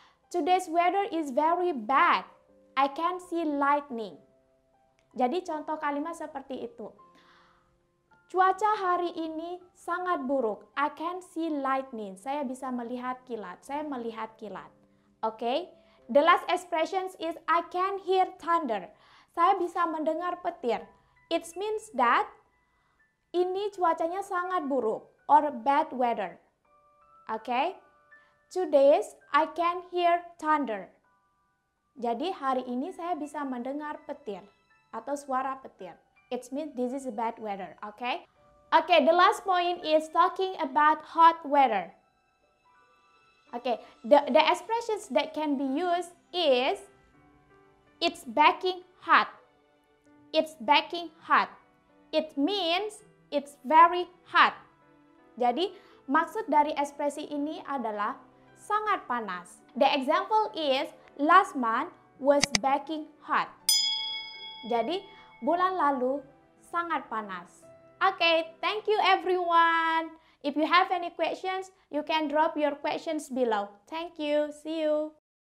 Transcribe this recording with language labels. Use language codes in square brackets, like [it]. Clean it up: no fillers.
[en] Today's weather is very bad. I can see lightning. [id] Jadi contoh kalimat seperti itu. Cuaca hari ini sangat buruk. [en] I can see lightning. [id] Saya bisa melihat kilat. Saya melihat kilat. Okay? [en] The last expression is I can hear thunder. [id] Saya bisa mendengar petir. [en] It means that [id] ini cuacanya sangat buruk [en] or bad weather. Okay? Today's I can hear thunder. [id] Jadi hari ini saya bisa mendengar petir. Atau suara petir. [en] It means this is a bad weather, okay? Okay, the last point is talking about hot weather. Okay, the expressions that can be used is it's baking hot. It's baking hot. It means it's very hot. [id] Jadi, maksud dari ekspresi ini adalah sangat panas. [en] The example is last month was baking hot. [id] Jadi, bulan lalu sangat panas. [en] Okay, thank you everyone. If you have any questions, you can drop your questions below. Thank you. See you.